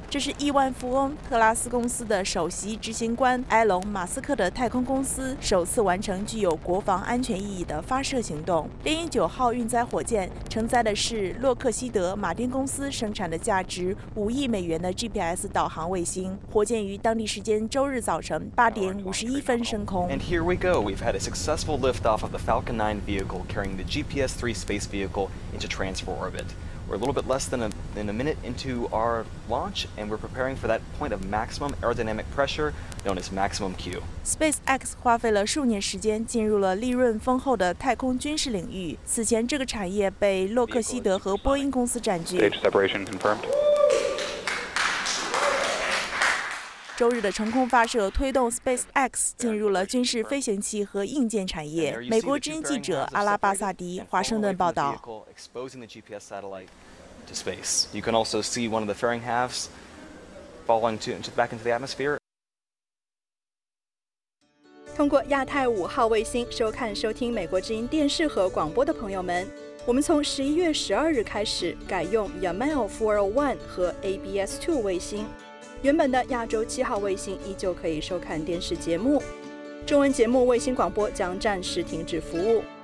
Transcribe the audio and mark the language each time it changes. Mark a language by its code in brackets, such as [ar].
[zh] 这是亿万富翁特拉斯公司的首席执行官埃隆·马斯克的太空公司首次完成具有国防安全意义的发射行动。猎鹰九号运载火箭承载的是洛克希德·马丁公司生产的价值5亿美元的 GPS 导航卫星。火箭于当地时间周日早晨8:51升空。 [en] And here we go. We've had a successful liftoff of the Falcon 9 vehicle carrying the GPS-3 space vehicle into transfer orbit. We're a little bit less than a minute into our launch, and we're preparing for that point of maximum aerodynamic pressure known as maximum Q. [zh] SpaceX 花费了数年时间进入了利润丰厚的太空军事领域。此前，这个产业被洛克希德和波音公司占据。 [en] Stage separation confirmed. [zh] 周日的成功发射推动 SpaceX 进入了军事飞行器和硬件产业。美国之音记者阿拉巴萨迪，华盛顿报道。 [en] Exposing the GPS satellite to space. You can also see one of the fairing halves falling back into the atmosphere. [zh] 通过亚太五号卫星收看收听美国之音电视和广播的朋友们，我们从11月12日开始改用 Yamal 401和 ABS2 卫星。原本的亚洲七号卫星依旧可以收看电视节目，中文节目卫星广播将暂时停止服务。